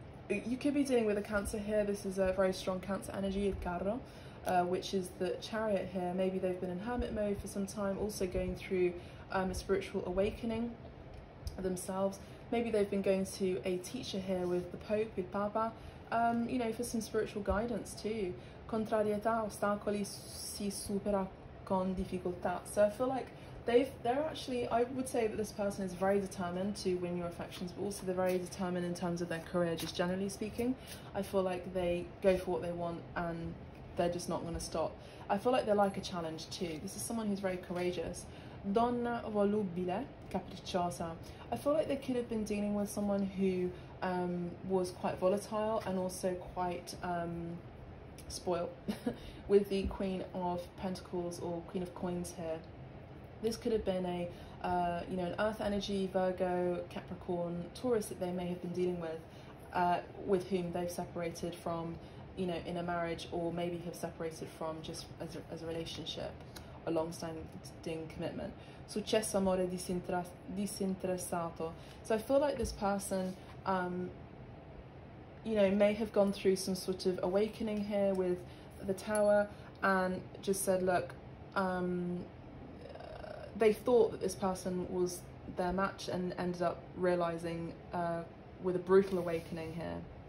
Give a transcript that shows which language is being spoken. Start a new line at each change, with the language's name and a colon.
English: You could be dealing with a Cancer here. This is a very strong Cancer energy, il carro, which is the chariot here. Maybe they've been in hermit mode for some time, also going through a spiritual awakening themselves. Maybe they've been going to a teacher here with the Pope, with Papa, you know, for some spiritual guidance too.
Italian: Contrarietà, ostacoli si supera con difficoltà.
English: So I feel like I would say that this person is very determined to win your affections, but also they're very determined in terms of their career, just generally speaking. I feel like they go for what they want and they're just not going to stop. I feel like they like a challenge too. This is someone who's very courageous. Donna volubile, capricciosa. I feel like they could have been dealing with someone who was quite volatile and also quite spoiled with the Queen of Pentacles or Queen of Coins here. This could have been a, you know, an Earth energy, Virgo, Capricorn, Taurus that they may have been dealing with whom they've separated from, you know, in a marriage, or maybe have separated from just as a relationship, a long-standing commitment.
Italian: Successo amore disinteressato.
English: So I feel like this person, you know, may have gone through some sort of awakening here with the Tower and just said, look, they thought that this person was their match and ended up realizing with a brutal awakening here.